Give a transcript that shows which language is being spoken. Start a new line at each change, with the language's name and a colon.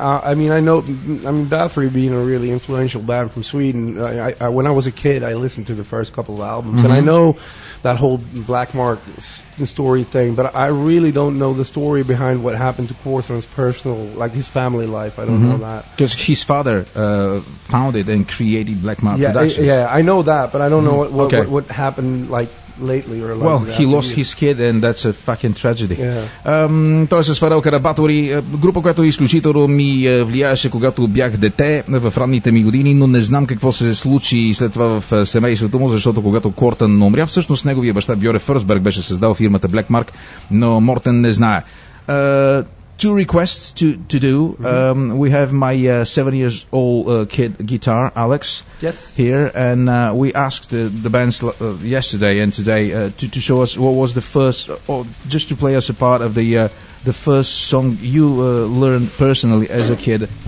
English: I mean, Bathory being a really influential band from Sweden, I when I was a kid, I listened to the first couple of albums, and I know that whole Black Mark story thing, but I really don't know the story behind what happened to Quorthon's personal, like his family life. I don't know that. Because his father founded and created Black Mark Productions. Yeah, I know that, but I don't know what happened, like, lately or like well, he lost his kid, and that's a fucking tragedy.
Bulgarian: Той се сварал Карабатори, група, която изключително ми влияеше, когато бях дете, в ранните ми години, но не знам какво се случи след това в семейството му, защото когато Кортън умря, всъщност неговия баща Бьоре Фърсберг беше създал фирмата Black Mark, но Мортен не знае.
English: Two requests to do. We have my 7-year-old kid guitar, Alex, here, and we asked the bands yesterday and today to show us what was the first, or just to play us a part of the first song you learned personally as a kid.